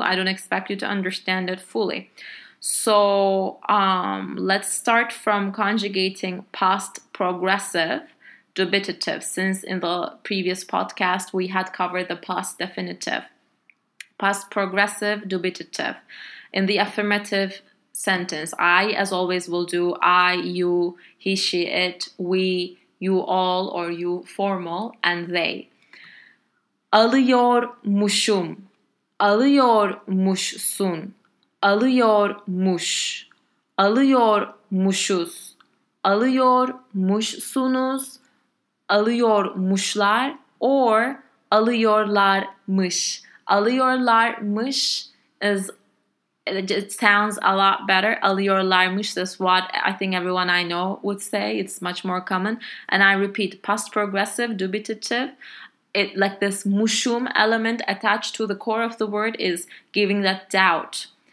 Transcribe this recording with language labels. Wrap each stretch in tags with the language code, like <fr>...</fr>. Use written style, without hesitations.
<en>I don't expect you to understand it fully. So let's start from conjugating past progressive dubitative, since in the previous podcast, we had covered the past definitive. Past progressive dubitative. In the affirmative sentence, I, as always, will do I, you, he, she, it, we, you all, or you formal, and they.</en> <tr>Alıyormuşum, alıyormuşsun, alıyormuş, alıyormuşuz, alıyormuşsunuz, alıyormuşlar, or alıyorlarmış.</tr> <en>Alıyorlarmış is, it sounds a lot better. Alıyorlarmış is what I think everyone I know would say. It's much more common. And I repeat, past progressive, dubitative, it like this muşum element attached to the core of the word is giving that doubt.</en>